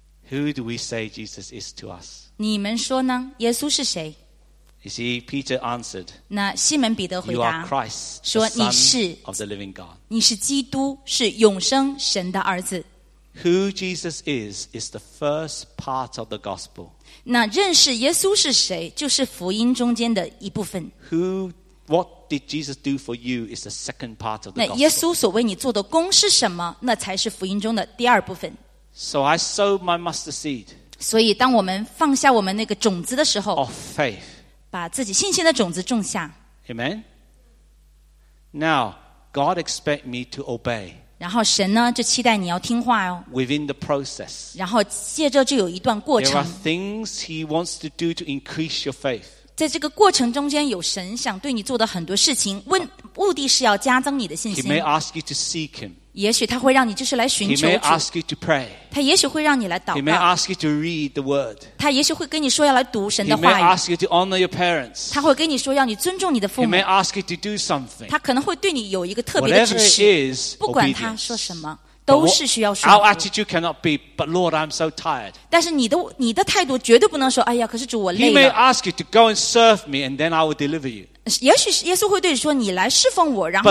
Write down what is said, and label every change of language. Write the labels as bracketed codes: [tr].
[en] ？Who do we say Jesus is to us? [zh] 你们说呢？耶稣是谁？ [en] You see, Peter answered, [zh] 那西门彼得回答 [en] You are Christ, the Son of the living God. [zh] 你是基督，是永生神的儿子。 [en] Who Jesus is the first part of the gospel. [zh] 那认识耶稣是谁，就是福音中间的一部分。 [en] What did Jesus do for you is the second part of the gospel. [zh] 那耶稣所为你做的工是什么，那才是福音中的第二部分。 [en] So I sowed my mustard seed. [zh] 所以当我们放下我们那个种子的时候 [en] of faith. [zh] 把自己信心的种子种下。 [en] Amen. Now, God expects me to obey. [zh] 然后神呢就期待你要听话哦。 [en] Within the process. [zh] 然后借着就有一段过程。 [en] There are things He wants to do to increase your faith. [zh] 在这个过程中间，有神想对你做的很多事情，目的是要加增你的信心。 [en] He may ask you to seek Him. [zh] 也许他会让你就是来寻求主。 [en] He may ask you to pray. [zh] 他也许会让你来祷告。 [en] He may ask you to read the word. [zh] 他也许会跟你说要来读神的话语。 [en] He may ask you to honor your parents. [zh] 他会跟你说要你尊重你的父母。 [en] He may ask you to do something. [zh] 他可能会对你有一个特别的指示。 [en] Whatever it is, [zh] 不管他说什么。都是需要说 [en] Our attitude cannot be, but Lord, I'm so tired. [zh] 但是你的态度绝对不能说，哎呀，可是主我累了。 [en] He may ask you to go and serve me, and then I will deliver you. [zh] 也许耶稣会对你说你来侍奉我然后